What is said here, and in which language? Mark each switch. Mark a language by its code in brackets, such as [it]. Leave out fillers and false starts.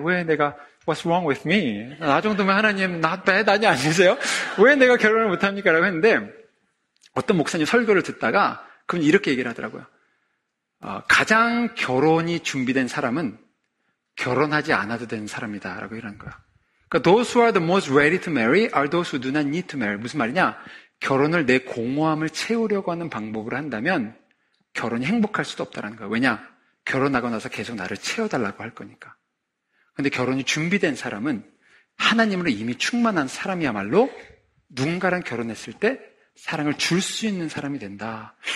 [ko] 왜 내가 [en] what's wrong with me? [ko] 나 정도면 하나님 [en] not bad [ko] 아니 아니세요? 왜 내가 결혼을 못합니까? 라고 했는데 어떤 목사님 설교를 듣다가 그분이 이렇게 얘기를 하더라고요. 가장 결혼이 준비된 사람은 결혼하지 않아도 되는 사람이다 라고 이런 거야. 그러니까 [en] those who are the most ready to marry are those who do not need to marry. [ko] 무슨 말이냐? 결혼을 내 공허함을 채우려고 하는 방법으로 한다면 결혼이 행복할 수도 없다라는 거예요. 왜냐? 결혼하고 나서 계속 나를 채워달라고 할 거니까. 그런데 결혼이 준비된 사람은 하나님으로 이미 충만한 사람이야말로 누군가랑 결혼했을 때 사랑을 줄 수 있는 사람이 된다.